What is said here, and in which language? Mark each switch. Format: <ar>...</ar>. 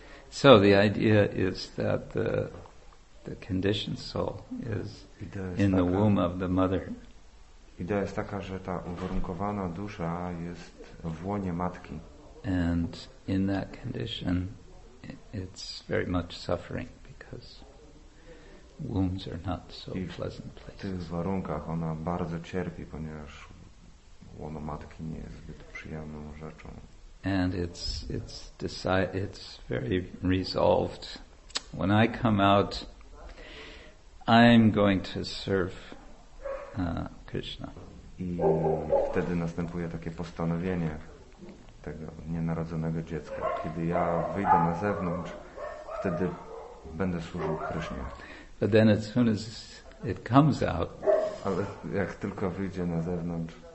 <en>So the idea is that the conditioned soul is in the womb of the mother.</en> <pl>Idea jest taka, że ta uwarunkowana dusza jest w łonie matki.</pl> <en>And in that condition, it's very much suffering because wombs are not so pleasant places.</en> <pl>W tych warunkach ona bardzo cierpi, ponieważ łono matki nie jest zbyt przyjemną rzeczą.</pl> <en>And it's very resolved. When I come out, I'm going to serve Krishna.</en> <pl>I wtedy następuje takie postanowienie tego nienarodzonego dziecka. Kiedy ja wyjdę na zewnątrz, wtedy będę służył Krishna.</pl> <en>But then as soon as it comes out,</en> <pl>ale jak tylko wyjdzie na zewnątrz,</pl>